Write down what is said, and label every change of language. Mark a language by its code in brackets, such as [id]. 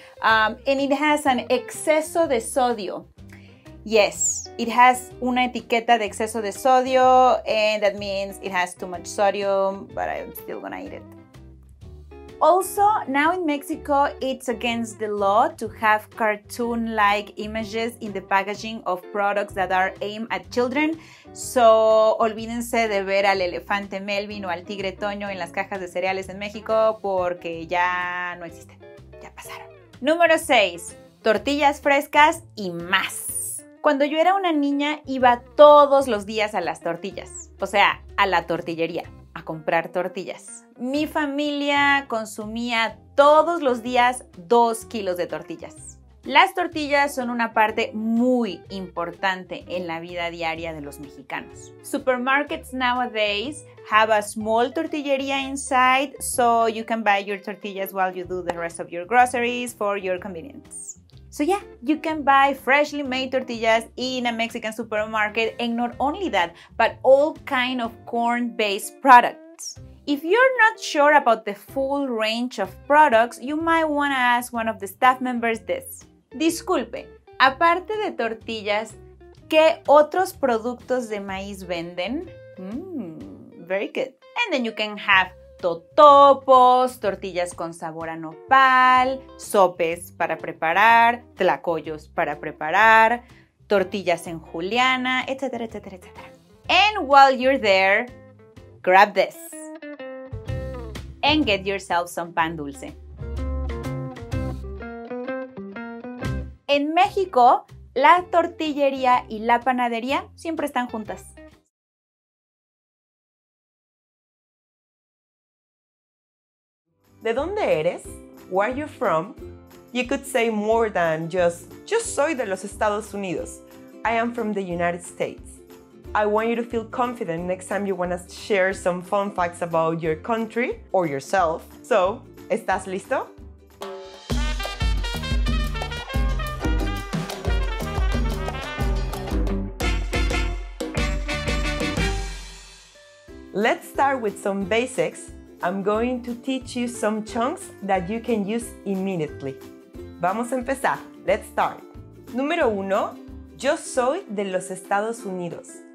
[en] And it has an [es] exceso de sodio. [en] Yes, it has [es] una etiqueta de exceso de sodio, [en] and that means it has too much sodium, but I'm still gonna eat it. Also, now in Mexico, it's against the law to have cartoon-like images in the packaging of products that are aimed at children. [es] So, olvídense de ver al elefante Melvin o al tigre Toño en las cajas de cereales en México porque ya no existen. Ya pasaron. Número 6. Tortillas frescas y más. Cuando yo era una niña, iba todos los días a las tortillas. O sea, a la tortillería. A comprar tortillas. Mi familia consumía todos los días 2 kilos de tortillas. Las tortillas son una parte muy importante en la vida diaria de los mexicanos. [en] Supermarkets nowadays have a small tortillería inside, so you can buy your tortillas while you do the rest of your groceries for your convenience. So yeah, you can buy freshly made tortillas in a Mexican supermarket, and not only that, but all kind of corn-based products. If you're not sure about the full range of products, you might want to ask one of the staff members this. [es] Disculpe, aparte de tortillas, ¿qué otros productos de maíz venden? [en] Very good. And then you can have [es] totopos, tortillas con sabor a nopal, sopes para preparar, tlacoyos para preparar, tortillas en juliana, [en] etc., etc., etc. And while you're there, grab this and get yourself some pan dulce. [es] En México, la tortillería y la panadería siempre están juntas. ¿De dónde eres? [en] Where are you from? You could say more than just, [es] yo soy de los Estados Unidos. [en] I am from the United States. I want you to feel confident next time you want to share some fun facts about your country or yourself. [es] So, ¿estás listo? [en] Let's start with some basics. I'm going to teach you some chunks that you can use immediately. [es] Vamos a empezar. [en] Let's start. [es] Número uno, yo soy de los Estados Unidos.